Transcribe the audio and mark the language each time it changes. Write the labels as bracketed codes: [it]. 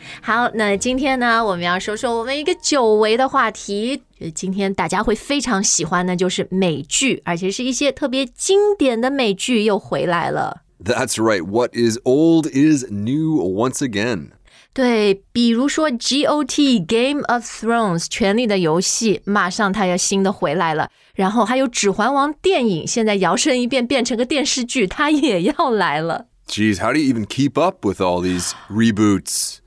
[zh] 好，那今天呢，我们要说说我们一个久违的话题，今天大家会非常喜欢的就是美剧，而且是一些特别经典的美剧又回来了。 [en] That's right, what is old is new once again. [zh] 对，比如说 GOT Game of Thrones 权力的游戏，马上它要新的回来了。然后还有指环王电影，现在摇身一变变成个电视剧，它也要来了。 [en] Geez, how do you even keep up with all these reboots?